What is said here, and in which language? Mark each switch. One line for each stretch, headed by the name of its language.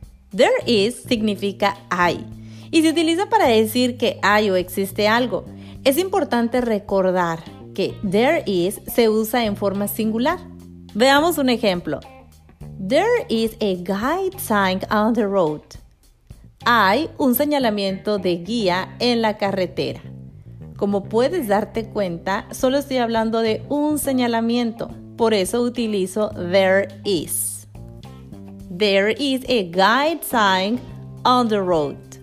English: There is
Spanish: significa hay, y se utiliza para decir que hay o existe algo. Es importante recordar que
English: there is
Spanish: se usa en forma singular. Veamos un ejemplo.
English: There is a guide sign on the road.
Spanish: Hay un señalamiento de guía en la carretera. Como puedes darte cuenta, solo estoy hablando de un señalamiento. Por eso utilizo
English: there is. There is a guide sign on the road.